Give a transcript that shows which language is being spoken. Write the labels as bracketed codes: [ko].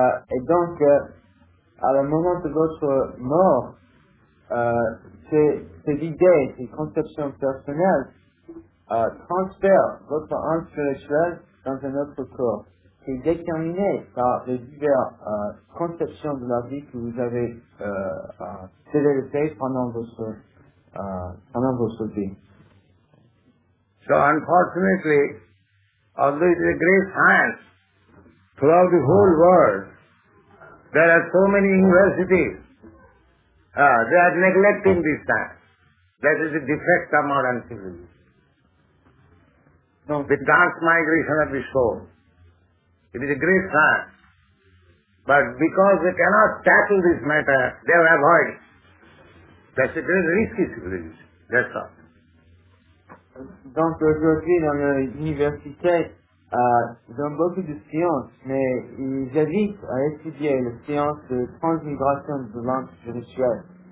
[fr] Et donc, à la moment de votre mort, ces idées, ces conceptions personnelles, transfèrent votre âme spirituelle dans un autre corps, qui est déterminé par les diverses conceptions de la vie que vous avez développées pendant votre vie. [en] So unfortunately, although it is a great science, throughout the whole world, there are so many universities. They are neglecting this science. That is the defect of modern civilization. The dark migration of the soul. It is a great science. But because they cannot tackle this matter, they have avoided. That's a great risky civilization. That's all. [fr] Donc aujourd'hui dans l'université, ils ont beaucoup de science, mais ils hésitent à étudier la science de transmigration de l'âme spirituelle.